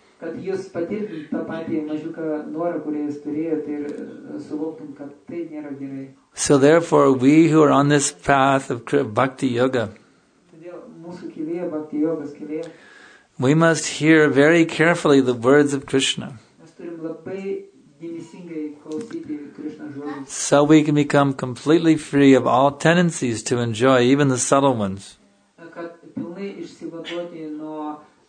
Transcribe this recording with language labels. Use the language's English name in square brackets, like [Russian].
[Lithuanian] Kad jūs patirtum tą patį mažiuką norą, kurį jūs turėjot, ir suvoktum, kad tai nėra gerai. [English] So therefore, we who are on this path of bhakti yoga, [Lithuanian] mūsų kelyje, bhakti yogos kelyje, [English] we must hear very carefully the words of Krishna. [Lithuanian] Mes turim labai dėmesingai klausyti Krishna žodžius. [English] So we can become completely free of all tendencies to enjoy, even the subtle ones. [Lithuanian] Kad pilnai išsivaduoti nuo